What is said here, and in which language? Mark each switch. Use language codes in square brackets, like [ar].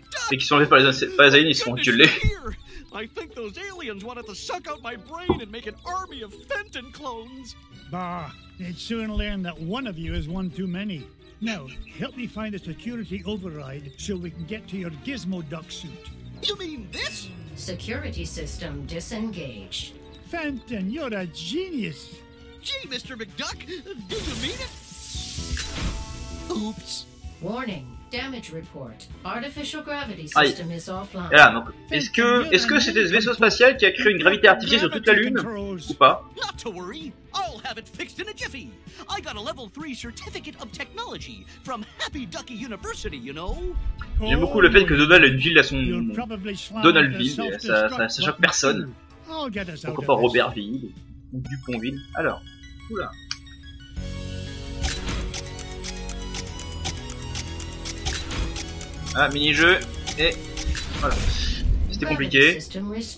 [fr] Et qui sont enlevés par les aliens, ils sont enculés. [en] I think those aliens wanted to suck out my brain and make an army of Fenton clones. Bah, they'd soon learn that one of you is one too many. Now, help me find a security override so we can get to your gizmo duck suit. You mean this? Security system disengaged. Fenton, you're a genius. Gee, Mr. McDuck, did you mean it? Oops. Warning, damage report. Artificial gravity system is offline. [fr] Voilà, donc, est-ce que c'était ce vaisseau spatial qui a créé une gravité artificielle sur toute la Lune ou pas? [en] Not to worry, I'll have it fixed in a jiffy. I got a level 3 certificate of technology from Happy Ducky University, you know. [fr] J'aime beaucoup le fait que Donald ait une ville à son Donaldville, ça choque personne. Pourquoi pas Robertville ou Dupontville? Alors, oula. Ah, mini-jeu, et voilà. C'était compliqué. Voilà.